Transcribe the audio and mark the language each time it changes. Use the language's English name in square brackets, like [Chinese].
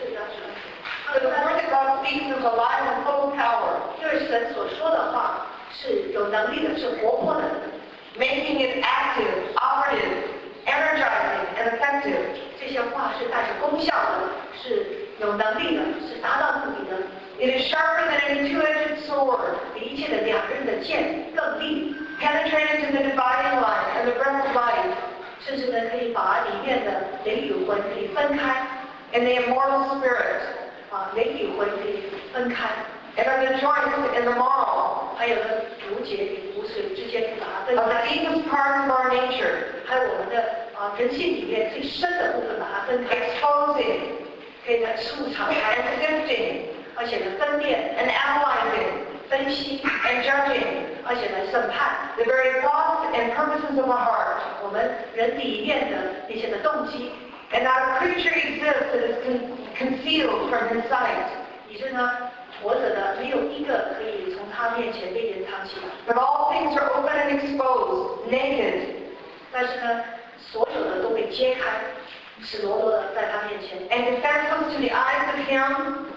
[English] For the word that God speaks is alive and full of power. [Chinese] 就是神所说的话是有能力的，是活泼的。 [English] Making it active, operative, energizing, and effective. [Chinese] 这些话是带着功效的，是有能力的，是达到目的的。 [English] It is sharper than any two-edged sword. [Chinese] 比一切的两刃的剑更利。 [English] Penetrating to the dividing line and the breath of life. [Chinese] 甚至呢，可以把里面的灵与魂可以分开。 [English] And the immortal spirit. [Chinese] 灵与魂可以分开。 [English] And of the joints and the marrow. [Chinese] 还有骨节与骨髓之间把它分 [English] 开。Of the deepest part of our nature. [Chinese] 还有我们的人性里面最深的部分把它分开。 [English] Exposing. [Chinese] 可以把事物敞开。 [English] And sifting. [Chinese] 而且呢，分辨 [English] ，and analyzing， [Chinese] 分析 [English] ，and judging， [Chinese] 而且呢，审判 [English] ，the very thoughts and purposes of our heart, [Chinese] 我们人里面的一些的动机。 [English] And our creature exists and is concealed from his sight. [Chinese] 以致呢，活着的没有一个可以从他面前被隐藏起来。 [English] But all things are open and exposed, naked. [Chinese] 但是呢，所有的都被揭开，赤裸裸的在他面前。 [English] And if that comes to the eyes of him,